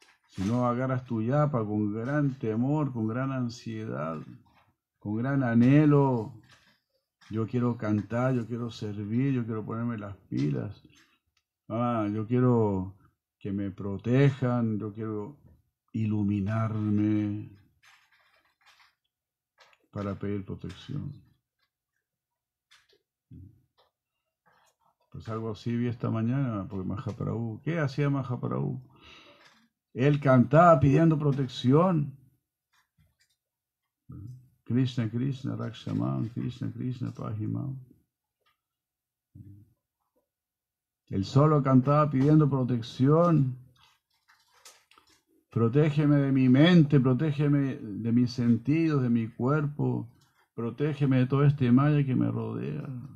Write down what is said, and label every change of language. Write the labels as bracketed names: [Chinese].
[Spanish] Si no agarras tu yapa con gran temor, con gran ansiedad, con gran anhelo, yo quiero cantar, yo quiero servir, yo quiero ponerme las pilas, yo quiero que me protejan, yo quiero iluminarme para pedir protección. Pues algo así vi esta mañana, porque Mahaprabhu, ¿qué hacía Mahaprabhu? Él cantaba pidiendo protección. [Sanskrit] Krishna, Krishna, Rakshamam, Krishna, Krishna, Pajimam. [Spanish] Él solo cantaba pidiendo protección. Protégeme de mi mente, protégeme de mis sentidos, de mi cuerpo. Protégeme de todo este maya que me rodea.